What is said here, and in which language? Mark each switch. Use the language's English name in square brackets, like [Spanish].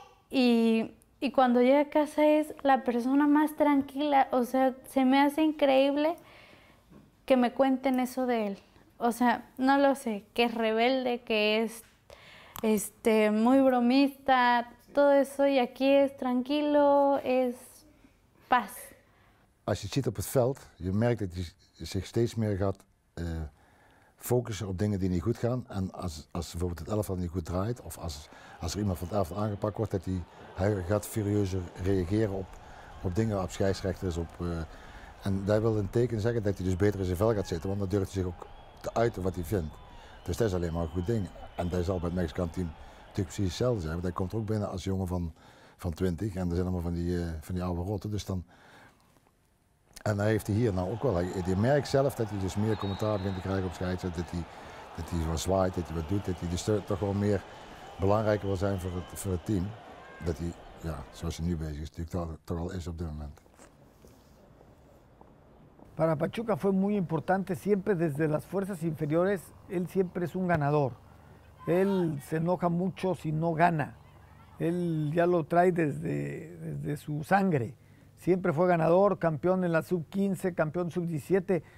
[Spanish] Y cuando llega a casa es la persona más tranquila. O sea, se me hace increíble que me cuenten eso de él. O sea, no lo sé, que es rebelde, que es muy bromista, todo eso. Y aquí es tranquilo, es paz. [Dutch] Als je ziet op het veld, je merkt dat hij zich steeds meer gaat focussen op dingen die niet goed gaan. En als bijvoorbeeld het elftal niet goed draait, of als er iemand van het elftal aangepakt wordt, dat hij gaat furieuzer reageren op dingen, op scheidsrechters. En dat wil een teken zeggen dat hij dus beter in zijn vel gaat zitten, want dan durft hij zich ook te uiten wat hij vindt. Dus dat is alleen maar een goed ding. En dat zal bij het Mexicaan team natuurlijk precies hetzelfde zijn. Want hij komt er ook binnen als jongen van 20 en er zijn allemaal van die oude rotten. Dus dan. En dan heeft hij hier nou ook wel. Je merkt zelf dat hij dus meer commentaar begint te krijgen op scheidsrechter. Dat hij wat zwaait, dat hij wat doet. Dat hij dus toch wel meer belangrijker wil zijn voor het team. Dat hij, ja, zoals hij nu bezig is, natuurlijk toch wel is op dit moment. [Spanish] Para Pachuca fue muy importante siempre desde las fuerzas inferiores. Él siempre es un ganador. Él se enoja mucho si no gana. Él ya lo trae desde su sangre. Siempre fue ganador, campeón en la sub-15, campeón sub-17.